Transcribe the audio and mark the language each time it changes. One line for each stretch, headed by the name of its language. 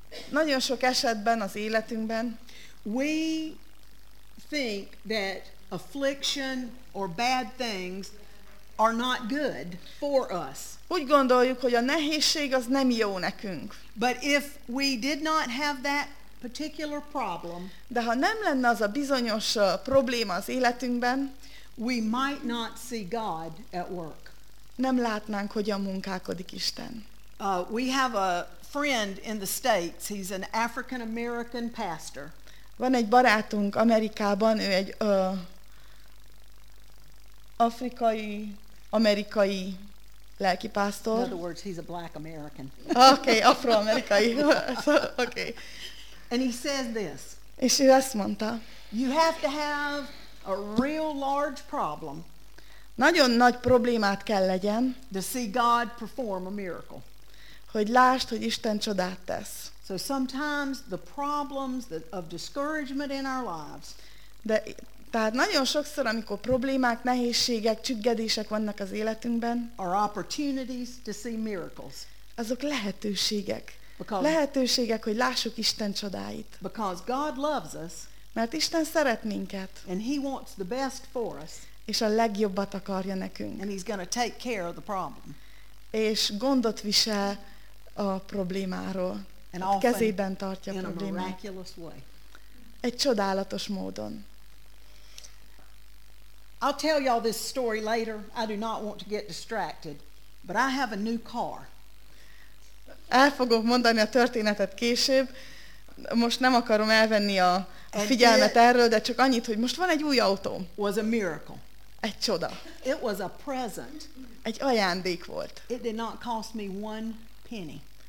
Hungarian: nagyon sok esetben az életünkben,
English: we think that affliction or bad things are not good for us.
Hungarian: Úgy gondoljuk, hogy a nehézség az nem jó nekünk.
English: But if we did not have that particular problem,
Hungarian: de ha nem lenne az a bizonyos probléma az életünkben,
English: we might not see God at work.
Hungarian: Nem látnánk, hogyan munkálkodik Isten.
English: We have a friend in the States. He's an African American pastor.
Hungarian: Van egy barátunk Amerikában, ő egy afrikai, amerikai lelki pásztor.
English: In other words, he's a black American.
Hungarian: Okay, afroamerikai. Okay.
English: And he says this.
Hungarian: És ő ezt mondta.
English: You have to have a real large problem.
Hungarian: Nagyon nagy problémát kell legyen.
English: To see God perform a miracle.
Hungarian: Hogy lásd, hogy Isten csodát tesz.
English: So sometimes the problems of discouragement in our lives.
Hungarian: De tehát nagyon sokszor, amikor problémák, nehézségek, csüggedések vannak az életünkben,
English: are opportunities to see miracles.
Hungarian: Azok lehetőségek. Lehetőségek, hogy lássuk Isten csodáit.
English: Because God loves us,
Hungarian: mert Isten szeret minket.
English: And he wants the best for us,
Hungarian: és a legjobbat akarja nekünk.
English: And he's gonna take care of the problem.
Hungarian: És gondot visel a problémáról. kezében tartja a problémát. Egy csodálatos módon.
English: I'll tell y'all this story later. I do not want to get distracted. But I have a new car.
Hungarian: El fogok mondani a történetet később. Most nem akarom elvenni a figyelmet erről, de csak annyit, hogy most van egy új autóm.
English: Was a miracle.
Hungarian: Egy csoda.
English: It was a present.
Hungarian: Egy ajándék volt.
English: It did not cost me one penny.